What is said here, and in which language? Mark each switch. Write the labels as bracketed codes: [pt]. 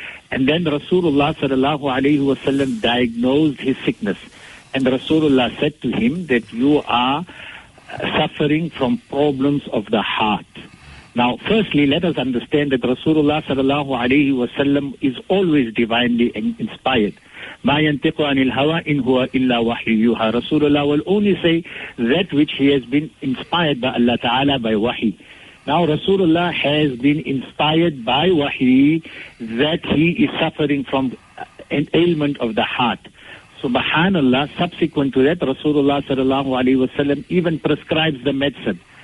[en] And then Rasulullah sallallahu alayhi wa sallam diagnosed his sickness. And Rasulullah said to him that you are suffering from problems of the heart. Now, firstly, let us understand that Rasulullah sallallahu alayhi wa sallam is always divinely inspired. [ar] ما ينطق عن الهوى إن هو إلا وحي يوحى. [en] رسول الله will only say that which he has been inspired by Allah Ta'ala by wahi. Now Rasulullah has been inspired by wahi that he is suffering from an ailment of the heart. Subhanallah, subsequent to that, Rasulullah sallallahu alayhi wa sallam even prescribes the medicine.